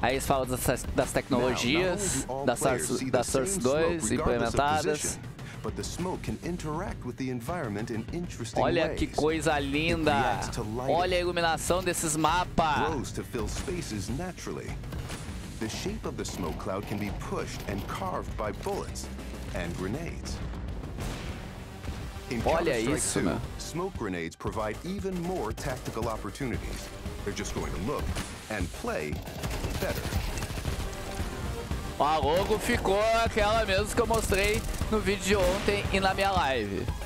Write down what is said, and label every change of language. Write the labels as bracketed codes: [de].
[pt] Aí eles falam das tecnologias da Source 2 implementadas. [en] But the smoke can interact with the environment in interesting ways. [pt] Olha que coisa linda. Olha a iluminação desses mapas. [en] To fill spaces naturally. The shape of the smoke cloud can be pushed and carved by bullets and grenades. [pt] Olha isso, mano. [en] Smoke grenades provide even more tactical opportunities. They're just going to look and play better. [pt] A logo ficou aquela mesmo que eu mostrei no vídeo de ontem e na minha live.